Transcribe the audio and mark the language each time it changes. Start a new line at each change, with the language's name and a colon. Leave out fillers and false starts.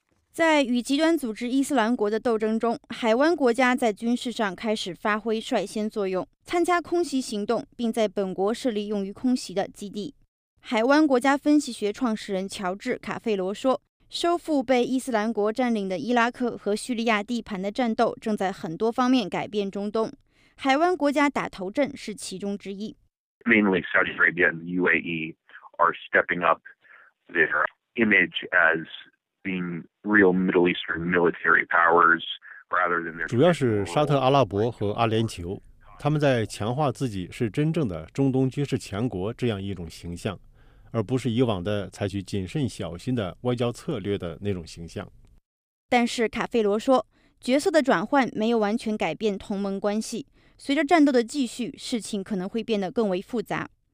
Chinese: 在与极端组织伊斯兰国的斗争中，海湾国家在军事上开始发挥率先作用，参加空袭行动，并在本国设立用于空袭的基地。海湾国家分析学创始人乔治·卡费罗说，收复被伊斯兰国占领的伊拉克和叙利亚地盘的战斗正在很多方面改变中东，海湾国家打头阵是其中之一。
English: Mainly Saudi Arabia and UAE are stepping up their image as being real Middle Eastern military powers rather than their
Chinese: 主要是沙特阿拉伯和阿联酋，他们在强化自己是真正的中东军事强国这样一种形象，而不是以往的采取谨慎小心的外交策略的那种形象。但是卡费罗说，角色的转换没有完全改变同盟关系，随着战斗的继续，事情可能会变得更为复杂。